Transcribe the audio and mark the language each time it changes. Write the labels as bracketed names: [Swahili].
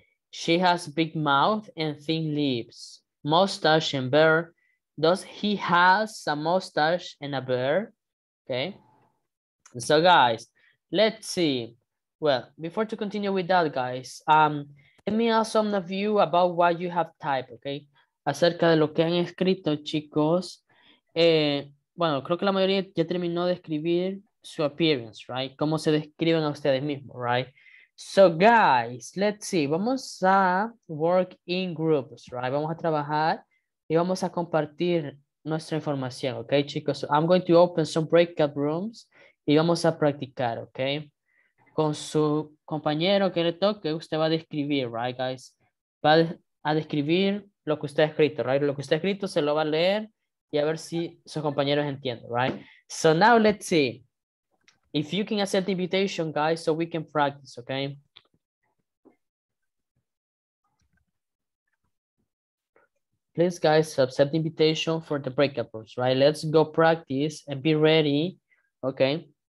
[English] She has big mouth and thin lips. Mustache and beard. Does he has a mustache and a beard? Okay. So guys, let's see. Well, before to continue with that, guys, let me ask some of you about what you have typed, okay? [Spanish] Acerca de lo que han escrito, chicos. Bueno, creo que la mayoría ya terminó de escribir su appearance, right? Cómo se describen a ustedes mismos, right? [English] So, guys, let's see. [Spanish] Vamos a [English] work in groups, [Spanish] right? Vamos a trabajar y vamos a compartir nuestra información, okay, chicos? [English] So I'm going to open some breakout rooms [Spanish] y vamos a practicar, [English] okay? [Spanish] Con su compañero que le toque, usted va a describir, right, guys? Va a describir lo que usted ha escrito, right? Lo que usted ha escrito se lo va a leer y a ver si sus compañeros entienden, right? [English] So now let's see. If you can accept the invitation, guys, so we can practice, okay? Please, guys, accept the invitation for the breakout rooms, right? Let's go practice and be ready, okay?